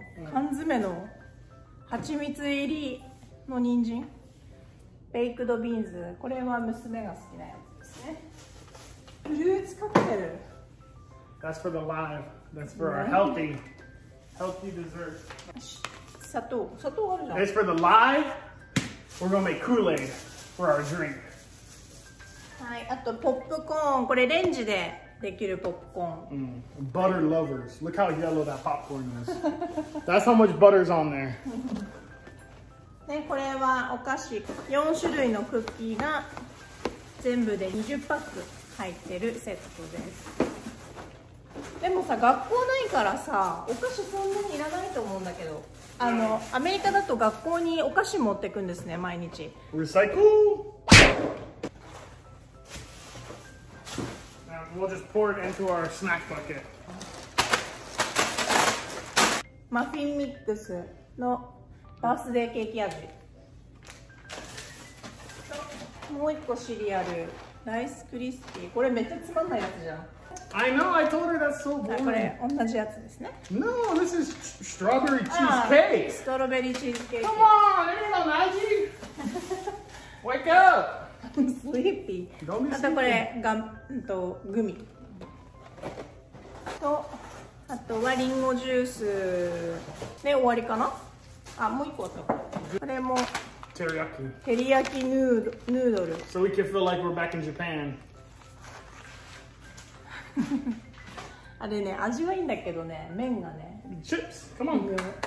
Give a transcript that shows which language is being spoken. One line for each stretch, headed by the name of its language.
Japanese: 缶詰の蜂蜜入りの人参?
English: Baked beans.
Japanese: これは娘が好きなやつですね。フルーツカクテル。
English: That's for the live. That's for our healthy, healthy dessert.
Japanese: 砂糖、砂糖あるじゃん。
English: It's for the live. We're gonna make Kool-Aid for our drink.
Japanese: はい、あとポップコーン。これレンジでできるポップコーン。
English: Butter lovers. Look how yellow that popcorn is. That's how much butter's on there.
Japanese: ね、これはお菓子。 4種類のクッキーが全部で20パック入ってるセットです。でもさ、学校ないからさ、お菓子そんなにいらないと思うんだけど、あのアメリカだと学校にお菓子持ってくんですね、毎日。リサイクル。
English: We'll just pour it into our snack bucket.
Japanese: マフィンミックスのバースデーケーキ味。もう一個シリアル、ライスクリスピー。これめっちゃつまんないやつじゃん。
English: I know, I told her that's so boring.
Japanese: これ同じやつですね。
English: No, this is strawberry cheesecake.
Japanese: ストロベリーチーズケーキ。
English: Come on, everyone, I'm not you. Wake up. Sleepy. Don't be sleepy.
Japanese: あとこれ、グミ。と、あとはリンゴジュースで終わりかな。あ、もう一個あった。これも。
English: Teriyaki. Teriyaki noodle. So we can feel like we're back in Japan.
Japanese: あれね、味はいいんだけどね、麺がね。チップス、
English: come on、
Japanese: うん。